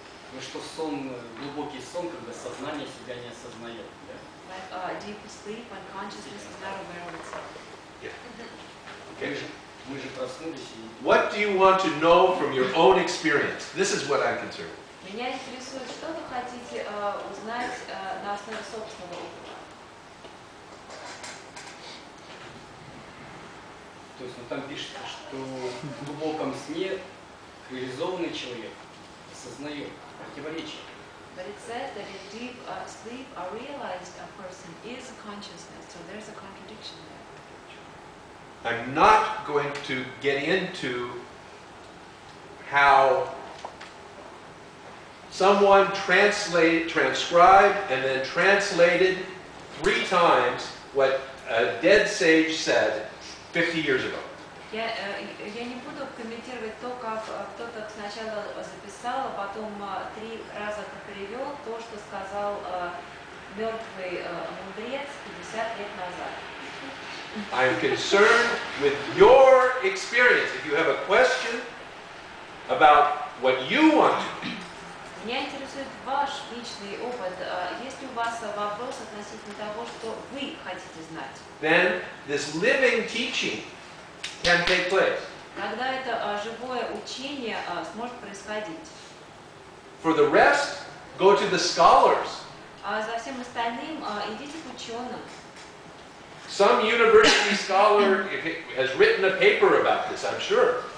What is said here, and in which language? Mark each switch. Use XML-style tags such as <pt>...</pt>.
<ru>Ну что, сон, глубокий сон, когда сознание себя не осознает, да?</ru> <en>Like deep sleep when consciousness is not aware of itself. Okay. What do you want to know from your own experience? This is what I'm concerned with.</en> <ru>Меня интересует, что вы хотите узнать на основе собственного опыта. То есть, ну там пишется, что в глубоком сне реализованный человек осознает противоречие.</ru> <en>But it says that in deep sleep a realized person is a consciousness. So there's a contradiction there. I'm not going to get into how someone transcribed and then translated three times what a dead sage said 50 years ago.</en> <ru>Я не буду комментировать то, как кто-то сначала записал, а потом три раза перевел то, что сказал мертвый мудрец 50 лет назад.</ru> <en>I'm concerned with your experience. If you have a question about what you want to do, then this living teaching can take place.</en> <ru>Тогда это живое учение сможет происходить.</ru> <en>For the rest, go to the scholars.</en> <ru>А за всем остальным идите к ученым.</ru> <en>Some university scholar has written a paper about this, I'm sure.</en>